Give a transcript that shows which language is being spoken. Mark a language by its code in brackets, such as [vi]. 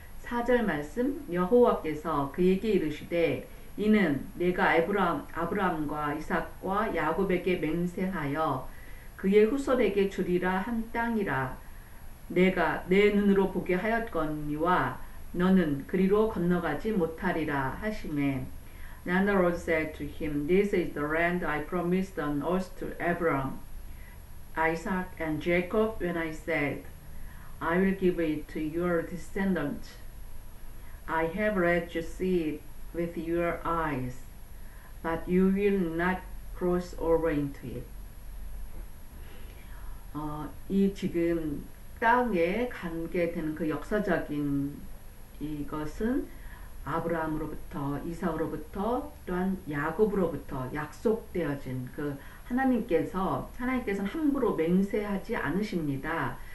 [ko] 4절 말씀, 여호와께서 그에게 이르시되, 이는 내가 아브라함과 이삭과 야곱에게 맹세하여 그의 후손에게 주리라 한 땅이라 내가 내 눈으로 보게 하였거니와 너는 그리로 건너가지 못하리라 하시매. [en] Then the Lord said to him, This is the land I promised on oath to Abraham, Isaac, and Jacob when I said, I will give it to your descendants. I have let you see it with your eyes, but you will not cross over into it. [ko] 이 지금 땅에 관계되는 그 역사적인 이것은 아브라함으로부터, 이삭으로부터, 또한 야곱으로부터 약속되어진 그 하나님께서는 함부로 맹세하지 않으십니다.